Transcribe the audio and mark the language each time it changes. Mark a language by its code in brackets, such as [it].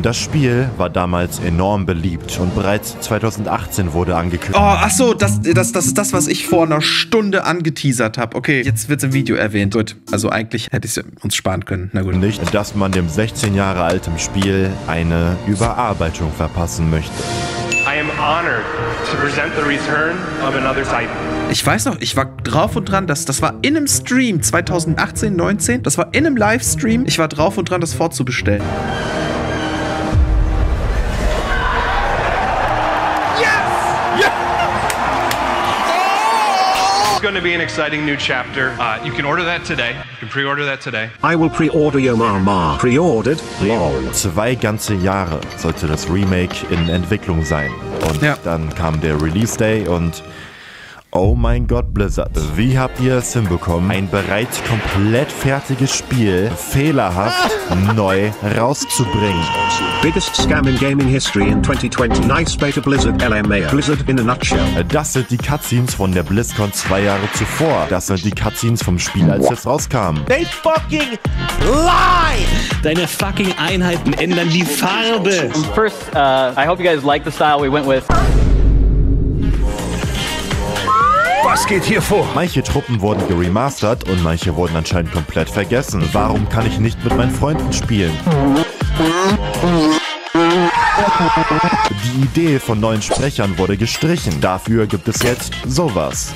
[de] Das Spiel war damals enorm beliebt und bereits 2018 wurde angekündigt. Oh, achso, das ist das, was ich vor einer Stunde angeteasert habe. Okay, jetzt wird's im Video erwähnt. Gut, also eigentlich hätte ich es uns sparen können. Na gut. Nicht, dass man dem 16 Jahre alten Spiel eine Überarbeitung verpassen möchte. [en] I am honored to present the return of another Titan. [de] Ich weiß noch, ich war drauf und dran, das war in einem Stream 2018, 19, das war in einem Livestream, ich war drauf und dran, das vorzubestellen. [en] Gonna be an exciting new chapter. You can order that today. You can pre-order that today. I will pre-order your mama. Pre-ordered. Lol. [de] Zwei ganze Jahre sollte das Remake in Entwicklung sein. Und ja, dann kam der Release Day und oh mein Gott, Blizzard. Wie habt ihr es hinbekommen, ein bereits komplett fertiges Spiel fehlerhaft neu rauszubringen? [en] Biggest scam in gaming history in 2020. Nice beta Blizzard LMAO. Blizzard in a nutshell. [de] Das sind die Cutscenes von der BlizzCon zwei Jahre zuvor. Das sind die Cutscenes vom Spiel, als es rauskam. [en] They fucking lie! [de] Deine fucking Einheiten ändern die Farbe. [en] First, I hope you guys like the style we went with. [de] Was geht hier vor? Manche Truppen wurden geremastert und manche wurden anscheinend komplett vergessen. Warum kann ich nicht mit meinen Freunden spielen? Die Idee von neuen Sprechern wurde gestrichen. Dafür gibt es jetzt sowas.